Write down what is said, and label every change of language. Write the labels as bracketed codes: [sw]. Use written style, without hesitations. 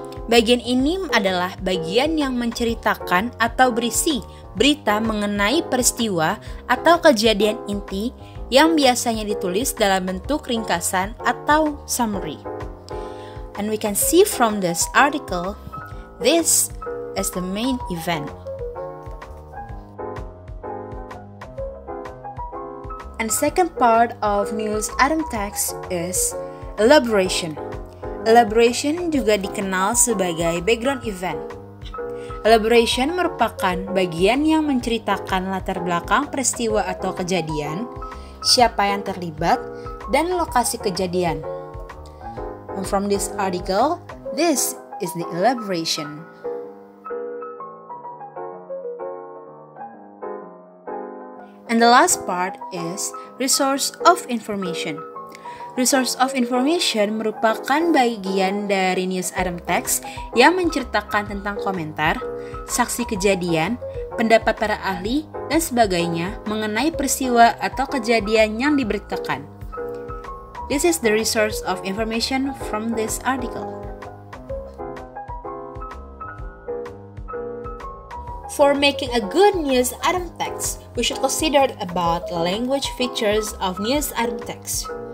[id] Bagian ini adalah bagian yang menceritakan atau berisi berita mengenai peristiwa atau kejadian inti yang biasanya ditulis dalam bentuk ringkasan atau summary. [en] And we can see from this article, this is the main event. And second part of news item text is elaboration. [id] Elaboration juga dikenal sebagai background event. Elaboration merupakan bagian yang menceritakan latar belakang peristiwa atau kejadian, siapa yang terlibat, dan lokasi kejadian. [en] And from this article, this is the elaboration. And the last part is resource of information. [id] Resource of information merupakan bagian dari news item text yang menceritakan tentang komentar, saksi kejadian, pendapat para ahli, dan sebagainya mengenai peristiwa atau kejadian yang diberitakan. [en] This is the resource of information from this article. For making a good news item text, we should consider about language features of news item text.